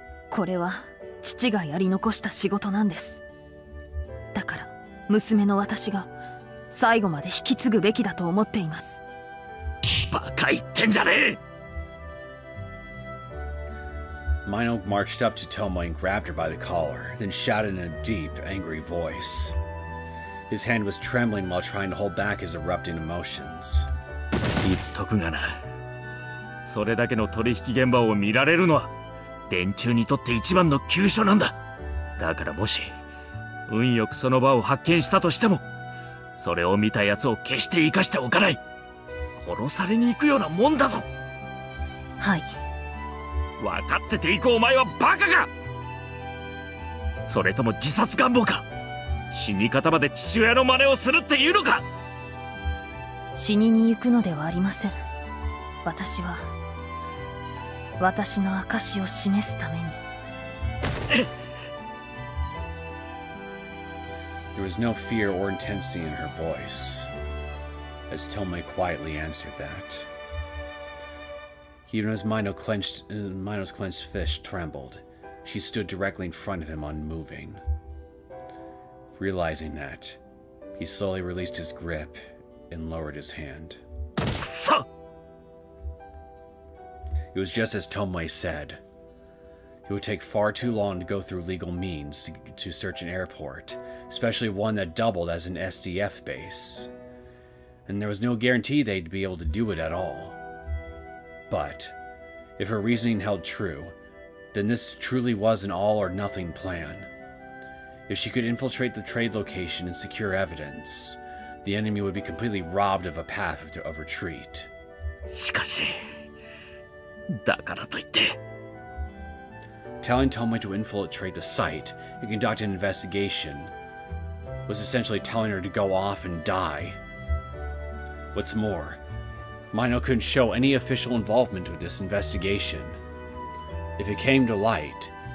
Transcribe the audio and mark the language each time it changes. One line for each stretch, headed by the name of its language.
Japanese: これは父がやり残した仕事なんです。だから娘の私が最後まで引き継ぐべきだと思っています。バカ言ってんじゃねえ。
English: Mino marched up to Tomoe and grabbed her by the collar, then shouted in a deep, angry voice. His hand was trembling while trying to hold back his erupting emotions.
Japanese: 言っとくがな、それだけの取引現場を見られるのは連中にとって一番の急所なんだ。だからもし運よくその場を発見したとしても、それを見た奴を決して生かしておかない。殺されに行くようなもんだぞ。はい。分かってて行くお前はバカか？それとも自殺願望か？死に方まで父親の真似をするっていうのか？死にに行くのではありません。私は、私の証を示すために。
English: There was no fear or intensity in her voice as Tomoe quietly answered that. Even as Mino's clenched fist trembled, she stood directly in front of him, unmoving. Realizing that, he slowly released his grip and lowered his hand. It was just as Tomoe said. It would take far too long to go through legal means to search an airport, especially one that doubled as an SDF base. And there was no guarantee they'd be able to do it at all. But if her reasoning held true, then this truly was an all or nothing plan. If she could infiltrate the trade location and secure evidence, the enemy would be completely robbed of a path of retreat.
Japanese: しかし、だからといって。
English: Telling Tomoe to infiltrate a site and conduct an investigation was essentially telling her to go off and die. What's more, Mino couldn't show any official involvement with this investigation. If it came to light,